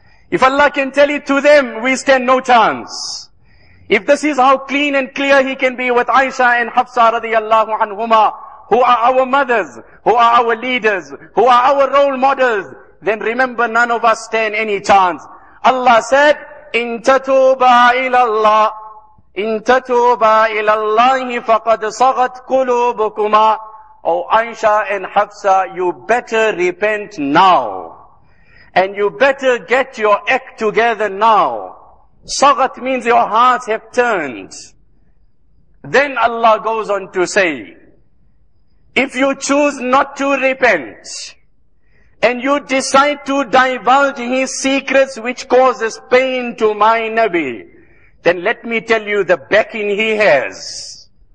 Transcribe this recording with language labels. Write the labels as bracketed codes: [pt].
[en] If Allah can tell it to them, we stand no chance. If this is how clean and clear He can be with Aisha and Hafsa radiallahu anhuma, who are our mothers, who are our leaders, who are our role models, then remember none of us stand any chance. Allah said, [ar] إِن تَتُوبَا إِلَى اللَّهِ إِن تَتُوبَا إِلَى اللَّهِ فَقَدْ صَغَتْ قُلُوبُكُمَا [en] O Aisha and Hafsa, you better repent now. And you better get your act together now. Saghat means your hearts have turned. Then Allah goes on to say, if you choose not to repent, and you decide to divulge his secrets which causes pain to my Nabi, then let me tell you the backing he has.